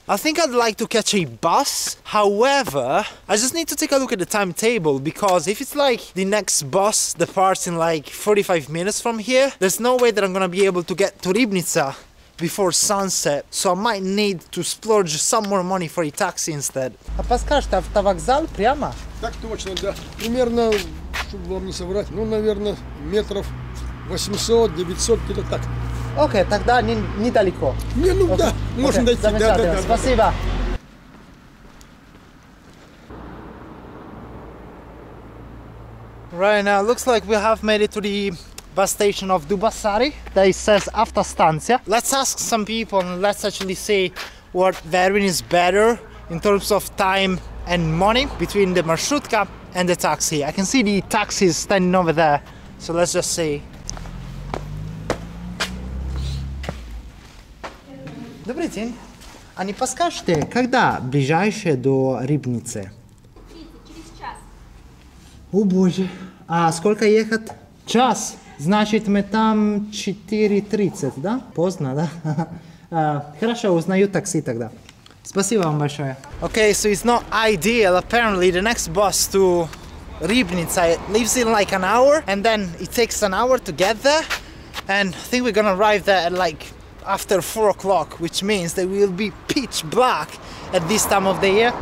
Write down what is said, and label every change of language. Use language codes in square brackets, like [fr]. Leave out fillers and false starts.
[en] I think I'd like to catch a bus. However, I just need to take a look at the timetable, because if it's like the next bus departs in like 45 minutes from here, there's no way that I'm gonna be able to get to Ribnica before sunset, so I might need to splurge some more money for a taxi instead. [ru] А подскажешь, ты на вокзал прямо? Так точно, да. Примерно, чтобы вам не соврать, ну, наверное, метров 800-900 где-то так. Окей, тогда недалеко. Не, ну да, можно дойти. Да. Спасибо. [en] Right now, looks like we have made it to the bus station of Dubasari. They says Автостанция. Let's ask some people and let's actually see what variant is better in terms of time and money between the маршрутка and the taxi. I can see the taxis standing over there, so let's just see. [ru] Добрый день. А не подскажете, когда ближайшее до Рибницы? Через час. О боже. А сколько ехать? Час. Значит, мы там 4:30, да? Поздно, да? Хорошо, узнаю такси тогда. Спасибо вам большое. [en] Okay, so it's not ideal. Apparently, the next bus to Ribnica leaves in like an hour, and then it takes an hour to get there. And I think we're gonna arrive there at like after 4 o'clock, which means that we'll be pitch black at this time of the year.